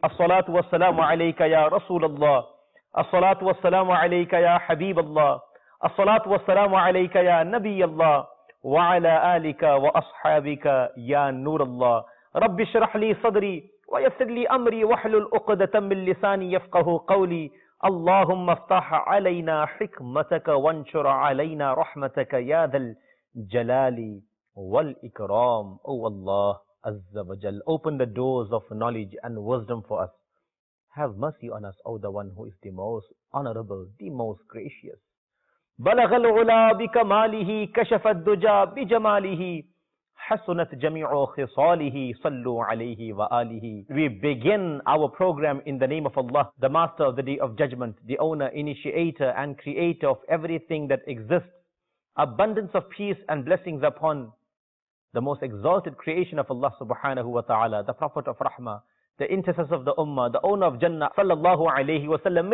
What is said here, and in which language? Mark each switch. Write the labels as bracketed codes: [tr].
[ar] الصلاة والسلام عليك يا رسول الله، الصلاة والسلام عليك يا حبيب الله، الصلاة والسلام عليك يا نبي الله، وعلى آلك وأصحابك يا نور الله. رب اشرح لي صدري ويسر لي أمري واحلل عقدة من لساني يفقه قولي. اللهم افتح علينا حكمتك وانشر علينا رحمتك يا ذا الجلال والإكرام. [en] Oh Allah Azza wa Jal, open the doors of knowledge and wisdom for us. Have mercy on us, O the one who is the most honorable, the most gracious. [ar] بلغ العلا بكماله كشف الدجى بجماله حسنت جميع خصاله صلوا عليه وآله. [en] We begin our program in the name of Allah, the master of the day of judgment, the owner, initiator and creator of everything that exists. Abundance of peace and blessings upon the most exalted creation of Allah subhanahu wa ta'ala, the prophet of rahmah, the intercessor of the ummah, the owner of jannah sallallahu alayhi wa sallam.